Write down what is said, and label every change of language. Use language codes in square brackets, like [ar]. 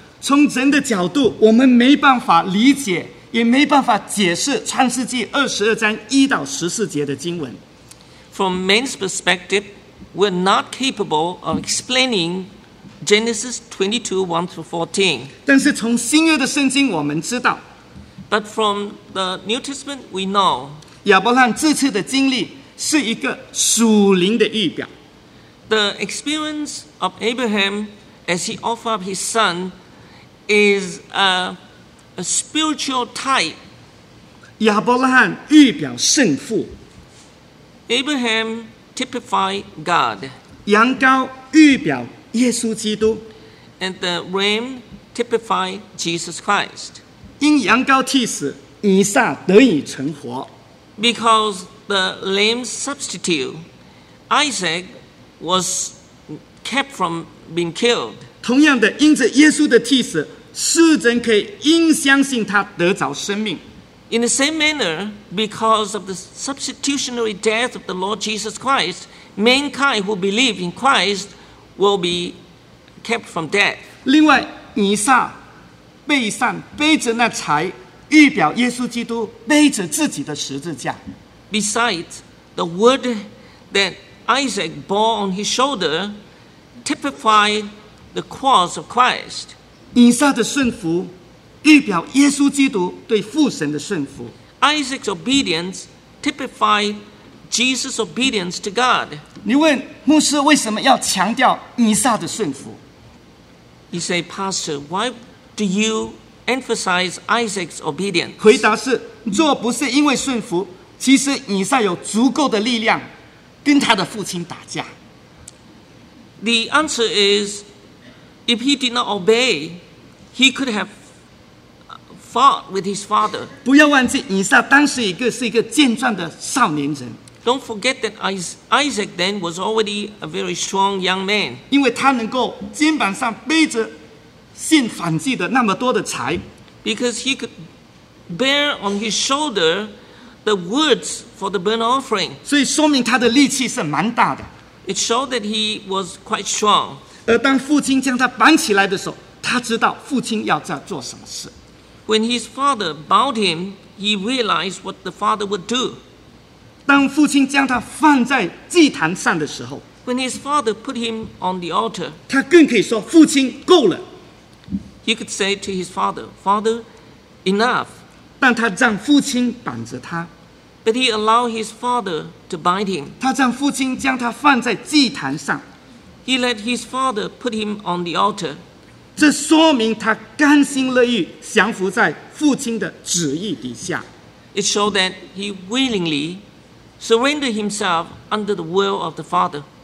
[zh] 从人的角度，我们没办法理解，也没办法解释《创世纪》二十二章一到十四节的经文。 [en] From man's perspective, we're not capable of explaining Genesis 22:1-14. [zh] 但是从新约的圣经我们知道。 [en] But from the New Testament, we know. [zh] 亚伯拉罕这次的经历是一个属灵的预表。 [en] The experience of Abraham as he offered up his son is a spiritual type. [zh] 亚伯拉罕预表圣父。 [en] Abraham typified God. [zh] 羊羔预表耶稣基督。 [en] And the ram typified Jesus Christ. [zh] 因羊羔替死，以撒得以存活。 [en] Because the lamb substitute, Isaac was kept from being killed. [zh] 同样的，因着耶稣的替死，世人可以因相信他得着生命。 [en] In the same manner, because of the substitutionary death of the Lord Jesus Christ, mankind who believe in Christ will be kept from death. [zh] 另外，以撒背上背着那柴，预表耶稣基督背着自己的十字架。 [en] Besides, the word that Isaac bore on his shoulder typified the cross of Christ. [zh] 以撒的顺服预表耶稣基督对父神的顺服。 [en] Isaac's obedience typified Jesus' obedience to God. [zh] 你问牧师为什么要强调以撒的顺服？ [en] You say, Pastor, why do you emphasize Isaac's obedience? [zh] 回答是，若不是因为顺服，其实以撒有足够的力量跟他的父亲打架。 [en] The answer is, if he did not obey, he could have fought with his father. [zh] 不要忘记，以撒当时是一个健壮的少年人。 [en] Don't forget that Isaac then was already a very strong young man. [zh] 因为他能够肩膀上背着献燔祭的那么多的柴。 [en] Because he could bear on his shoulder the woods for the burnt offering. [zh] 所以说明他的力气是蛮大的。 [en] It showed that he was quite strong. [zh] 而当父亲将他绑起来的时候，他知道父亲要在做什么事。 [en] When his father bound him, he realized what the father would do. [zh] 当父亲将他放在祭坛上的时候， [en] When his father put him on the altar, [zh] 他更可以说父亲够了。 [en] He could say to his father, Father, enough. [zh] 但他让父亲绑着他。 [en] But he allowed his father to bind him. [zh] 他让父亲将他放在祭坛上。 [en] He let his father put him on the altar. [zh] 这说明他甘心乐意降服在父亲的旨意底下。 [en] It showed that he willingly surrendered himself under the will of the father.